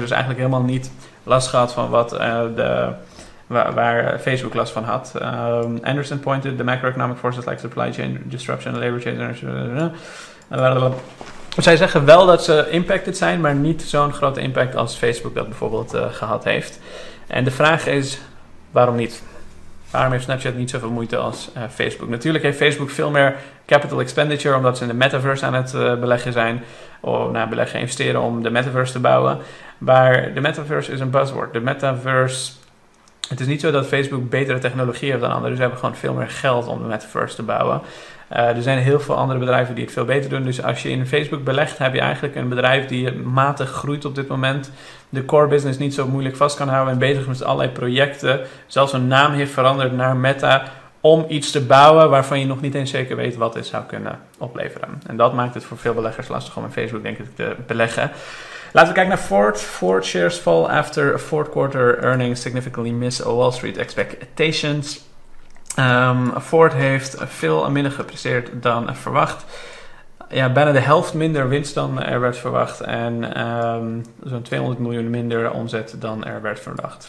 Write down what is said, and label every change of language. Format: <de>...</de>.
<nl>Dus eigenlijk helemaal niet last gehad van wat waar Facebook last van had.</nl> <en>Anderson pointed the macroeconomic forces like supply chain disruption, labor change.</en> <nl>Zij zeggen wel dat ze impacted zijn, maar niet zo'n grote impact als Facebook dat bijvoorbeeld gehad heeft. En de vraag is, waarom niet? Waarom heeft Snapchat niet zoveel moeite als Facebook? Natuurlijk heeft Facebook veel meer capital expenditure omdat ze in de metaverse aan het beleggen zijn. Investeren om de metaverse te bouwen. Maar de metaverse is een buzzword. De metaverse Het is niet zo dat Facebook betere technologie heeft dan anderen. Ze hebben gewoon veel meer geld om de metaverse te bouwen. Er zijn heel veel andere bedrijven die het veel beter doen. Dus als je in Facebook belegt, heb je eigenlijk een bedrijf die matig groeit op dit moment. De core business niet zo moeilijk vast kan houden en bezig met allerlei projecten. Zelfs een naam heeft veranderd naar Meta om iets te bouwen waarvan je nog niet eens zeker weet wat het zou kunnen opleveren. En dat maakt het voor veel beleggers lastig om in Facebook, denk ik, te beleggen. Laten we kijken naar Ford.</nl> <en>Ford shares fall after fourth quarter earnings significantly miss Wall Street expectations.</en> <nl>Ford heeft veel minder gepresteerd dan verwacht. Ja, bijna de helft minder winst dan er werd verwacht. En zo'n 200 miljoen minder omzet dan er werd verwacht.</nl>